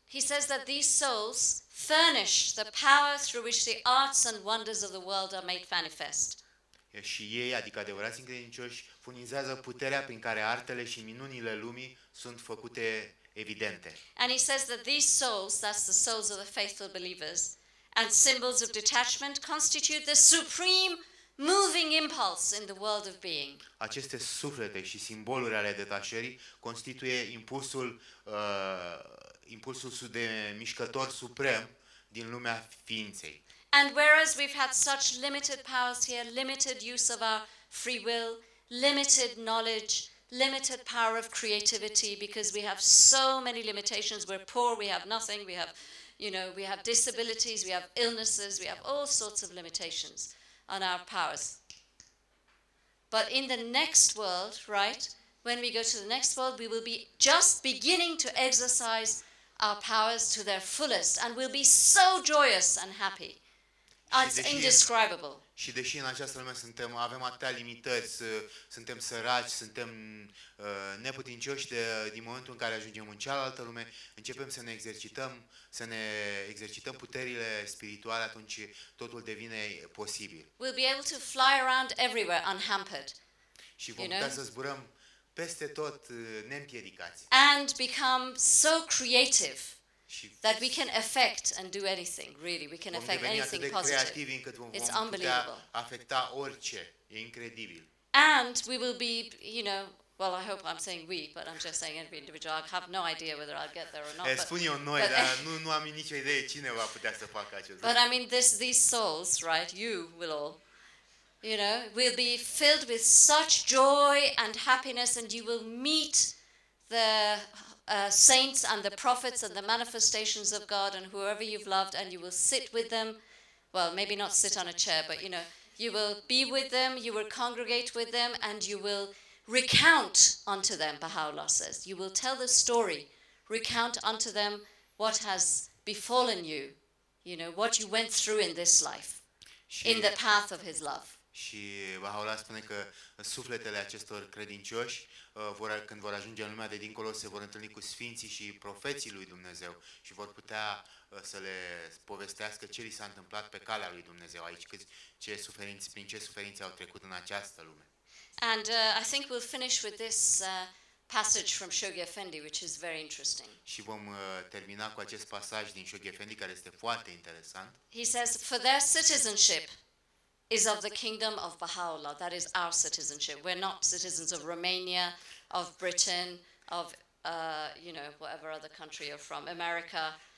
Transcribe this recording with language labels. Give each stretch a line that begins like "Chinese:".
English: He says that these souls furnish the power through which the arts and wonders of the world are made manifest.
Romanian: Și ei, adică adevărații credincioși, furnizează puterea prin care artele și minunile lumii sunt făcute evidente.
English: And he says that these souls, that's the souls of the faithful believers, and symbols of detachment constitute the supreme moving impulse in the world of being.
Romanian: Aceste suflete și simboluri ale detașării constituie impulsul impulsul de mișcător suprem din lumea ființei.
English: And whereas we've had such limited powers here, limited use of our free will, limited knowledge, limited power of creativity, because we have so many limitations, we're poor, we have nothing, we have, you know, we have disabilities, we have illnesses, we have all sorts of limitations on our powers. But in the next world, right, when we go to the next world, we will be just beginning to exercise our powers to their fullest, and we'll be so joyous and happy. It's indescribable.
Romanian: Și deși în această lume suntem, avem atâtea limități, suntem săraci, suntem neputincioși, din momentul în care ajungem în cealaltă lume, începem să ne exercităm, să ne exercităm puterile spirituale, atunci totul devine posibil.
English: We'll be able to fly around everywhere unhampered.
Romanian: Și vom putea să zburăm peste tot neîmpiedicați.
English: And become so creative that we can affect and do anything, really. We can affect anything positive. It's unbelievable.
Romanian: Afecta orice. E incredibil.
English: And we will be, you know, well, I hope I'm saying we, but I'm just saying every individual. I have no idea whether I'll get there or not.
Romanian: Spun eu noi, dar nu am nicio idee cine va putea să facă acest lucru.
English: But I mean, these souls, right, you will all, you know, will be filled with such joy and happiness, and you will meet the saints and the prophets and the manifestations of God and whoever you've loved, and you will sit with them. Well, maybe not sit on a chair, but you know, you will be with them, you will congregate with them, and you will recount unto them, Baha'u'llah says. You will tell the story, recount unto them what has befallen you, you know, what you went through in this life, in the path of His love.
Romanian: Și Baha'u'llah spune că sufletele acestor credincioși, când vor ajunge în lumea de dincolo, se vor întâlni cu sfinții și profeții lui Dumnezeu și vor putea să le povestească ce li s-a întâmplat pe calea lui Dumnezeu aici, prin ce suferințe au trecut în această lume.
English: And I think we'll finish with this passage from Shoghi Effendi, which is very interesting.
Romanian: Și vom termina cu acest pasaj din Shoghi Effendi, care este foarte interesant.
English: He says, for their citizenship is of the kingdom of Baha'u'llah. That is our citizenship. We're not citizens of Romania, of Britain, of, you know, whatever other country you're from, America.